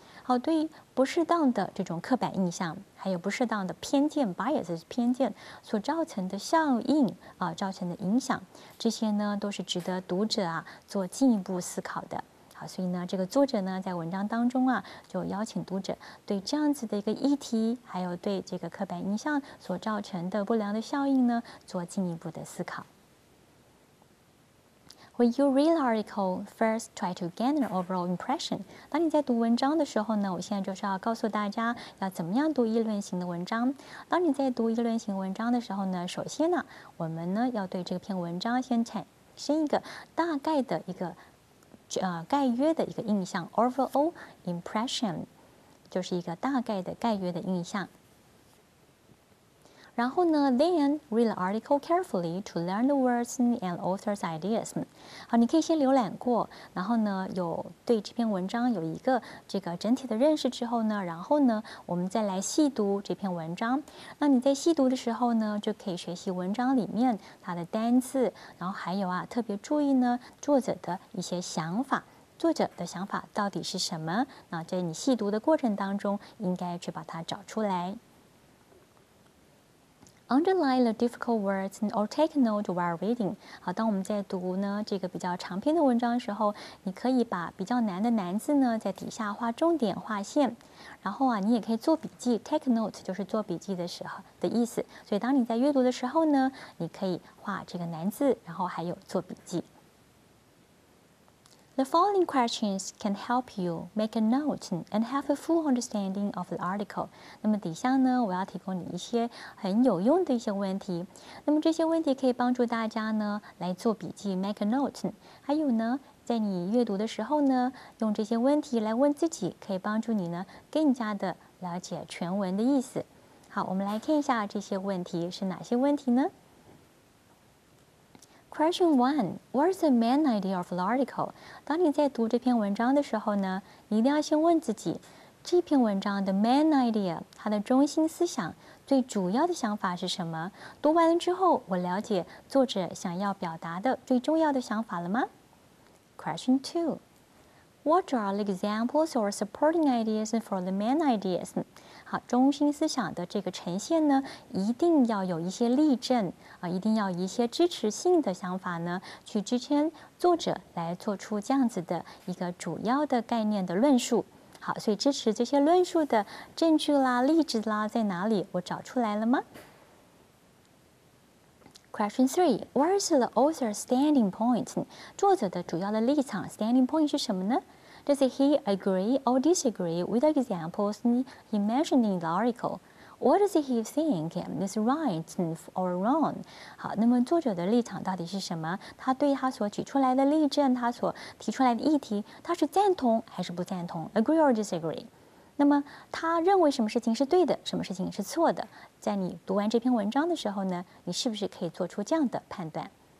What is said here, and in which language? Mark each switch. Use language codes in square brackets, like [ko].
[zh] 好，对不适当的这种刻板印象还有不适当的偏见 bias 偏见所造成的效应造成的影响，这些呢都是值得读者啊做进一步思考的。好，所以呢这个作者呢在文章当中啊就邀请读者对这样子的一个议题还有对这个刻板印象所造成的不良的效应呢做进一步的思考。 [en] When you read the article, first try to gain an overall impression. [zh] 当你在读文章的时候呢，我现在就是要告诉大家要怎么样读议论型的文章。当你在读议论型文章的时候呢，首先呢，我们呢要对这篇文章先产生一个大概的一个概约的一个印象 ， overall impression，就是一个大概的概约的印象。 [en] 然后呢，then read the article carefully to learn the words and author's ideas。 [zh] 好，你可以先浏览过，然后呢，有对这篇文章有一个这个整体的认识之后呢，然后呢，我们再来细读这篇文章。那你在细读的时候呢，就可以学习文章里面它的单字，然后还有啊，特别注意呢，作者的一些想法。作者的想法到底是什么？那在你细读的过程当中，应该去把它找出来。 [en] Underline the difficult words or take note while reading. [zh] 好，当我们在读呢这个比较长篇的文章的时候，你可以把比较难的难字呢在底下画重点划线，然后啊，你也可以做笔记 ， take note 就是做笔记的时候的意思。所以当你在阅读的时候呢，你可以画这个难字，然后还有做笔记。 [en] The following questions can help you make a note and have a full understanding of the article. [zh] 那么底下呢，我要提供你一些很有用的一些问题。那么这些问题可以帮助大家呢来做笔记 ， make a note。还有呢，在你阅读的时候呢，用这些问题来问自己，可以帮助你呢更加的了解全文的意思。好，我们来看一下这些问题是哪些问题呢？ [en] Question 1. What is the main idea of the article? [zh] 当你在读这篇文章的时候呢，你一定要先问自己，这篇文章的 main idea, 它的中心思想，最主要的想法是什么？读完了之后，我了解作者想要表达的最重要的想法了吗？ [en] Question 2. What are the examples or supporting ideas for the main ideas? [zh] 好，中心思想的这个呈现呢，一定要有一些例证啊，一定要一些支持性的想法呢，去支撑作者来做出这样子的一个主要的概念的论述。好，所以支持这些论述的证据啦、例子啦，在哪里？我找出来了吗？ [en] Question 3. Where is the author's standing point? 作者的主要的立场 standing point 是什么呢？ Does he agree or disagree with the examples he mentioned in the article? What does he think is right or wrong? [zh] 好，那么作者的立场到底是什么？他对他所举出来的例证，他所提出来的议题，他是赞同还是不赞同 ？ Agree or disagree? 那么他认为什么事情是对的，什么事情是错的？在你读完这篇文章的时候呢，你是不是可以做出这样的判断？